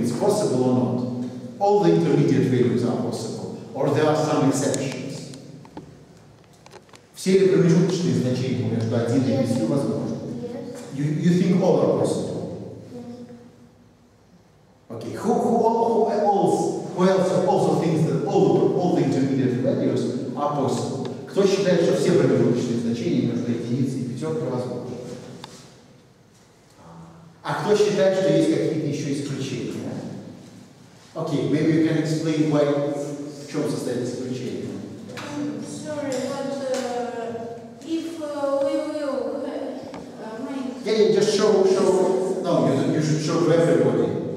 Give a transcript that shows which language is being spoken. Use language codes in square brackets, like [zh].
[en] It's possible or not? All the intermediate values are possible. Or there are some exceptions. [ru] Все промежуточные значения между 1 и 5 возможны. [en] You think all are possible? Okay, who else thinks that all the intermediate values are possible? [ru] Кто считает, что все промежуточные значения между единицей и пятеркой возможны? А кто считает, что есть какие-то еще исключения? [en] Okay, maybe you can explain why, [ru] в чем состоит исключение. [en] I'm sorry, but if we will make... Yeah, just show. No, you should show to everybody.